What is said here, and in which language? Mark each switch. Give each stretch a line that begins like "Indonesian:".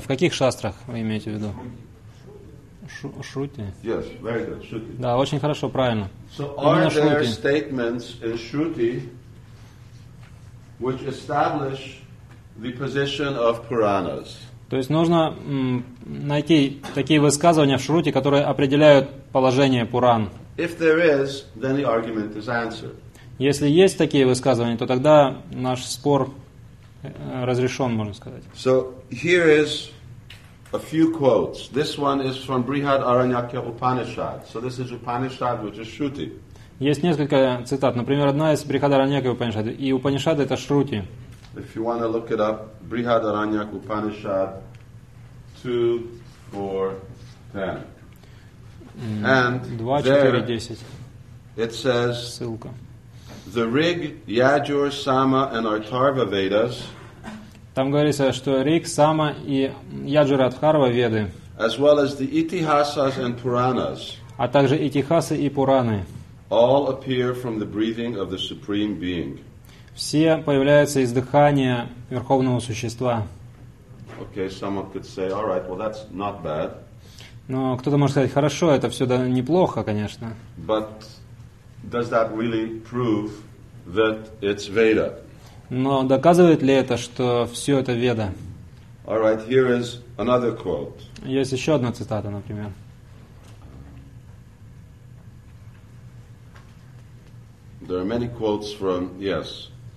Russian: В каких Шастрах вы имеете в виду? Шрути?
English: Yes, very good. Shruti.
Russian: Да, очень хорошо, правильно.
English: So are there statements in Shruti which establish the position of Puranas?
Russian: То есть нужно найти такие высказывания в Шрути, которые определяют положение Пуран.
English: If there is, then the argument is answered.
Russian: Если есть такие высказывания, то тогда наш спор разрешен, можно сказать.
English: So here is a few quotes. This one is from Brihadaranyaka Upanishad. So this is Upanishad, which is Shruti.
Russian: Есть несколько цитат. Например, одна из Брихадаранья Упанишад. И Упанишад это Шрути.
English: If you want to look it up, Brihadaranyaka Upanishad 2:4:10. And 2, 4, 10. It says, the Rig, Yajur, Sama, and Atharva Vedas.
Russian: Там говорится, что Риг, Сама и Яджура Атхарва Веды.
English: As well as the Itihasas and Puranas.
Russian: А также Итихасы и Пураны.
English: All appear from the breathing of the Supreme Being.
Russian: Все появляются из дыхания Верховного Существа.
English: Okay, someone could say, all right, well, that's not bad.
Russian: Но кто-то может сказать, хорошо, это все да неплохо, конечно.
English: But does that really prove that it's Veda?
Russian: Но доказывает ли это, что все это Веда?
English: All right, here is another quote.
Russian: Есть еще одна цитата, например.
English: There are many quotes from, yes.